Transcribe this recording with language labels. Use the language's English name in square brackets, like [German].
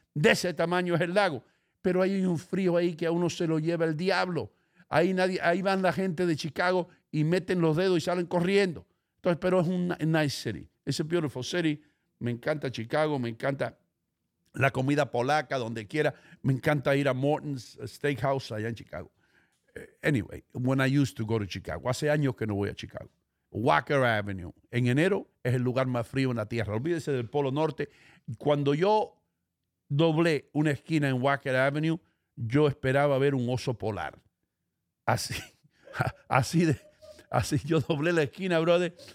[Spanish] De ese tamaño es el lago. Pero hay un frío ahí que a uno se lo lleva el diablo. Ahí van la gente de Chicago y meten los dedos y salen corriendo. Entonces, pero es una nice city. It's a beautiful city. Me encanta Chicago, me encanta la comida polaca, donde quiera. Me encanta ir a Morton's Steakhouse allá en Chicago. [English] Anyway, when I used to go to Chicago. [Spanish] Hace años que no voy a Chicago. Wacker Avenue. En enero es el lugar más frío en la tierra. Olvídese del Polo Norte. Cuando yo doblé una esquina en Wacker Avenue, yo esperaba ver un oso polar. Así yo doblé la esquina, brother.